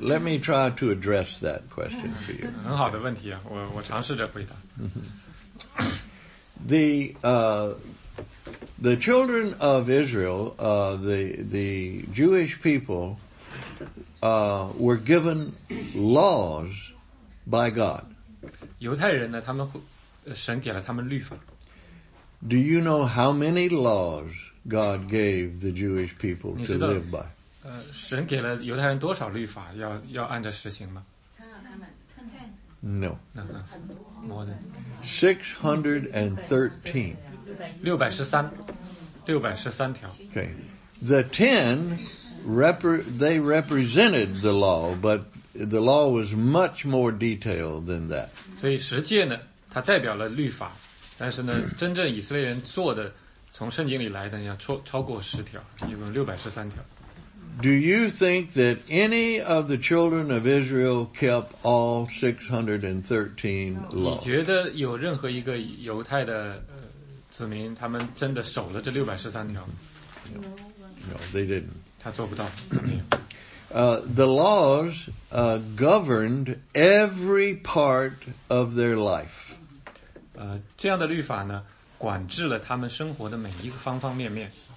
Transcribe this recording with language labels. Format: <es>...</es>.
<en>Let me try to address that question for you.</en> <zh>很好的问题啊，我尝试着回答。</zh> <en>The children of Israel, the Jewish people, were given laws by God.</en> <zh>犹太人呢，他们神给了他们律法。</zh> <en>Do you know how many laws God gave the Jewish people to live by?</en> <zh>神给了犹太人多少律法要按着实行吗？</zh> <en>No. More than 613.</en> <zh>613条。</zh> <en>Okay. The ten, they represented the law, but the law was much more detailed than that.</en> <zh>所以十诫呢，它代表了律法。但是呢，真正以色列人做的，从圣经里来的要超过十条，一共613条。</zh> <en>Do you think that any of the children of Israel kept all 613 laws?</en> <zh>你觉得有任何一个犹太的子民，他们真的守了这613条？</zh> <en>No, they didn't.</en> <zh>他做不到。</zh> <en>The laws governed every part of their life.</en> <zh>这样的律法呢，管制了他们生活的每一个方方面面。</zh>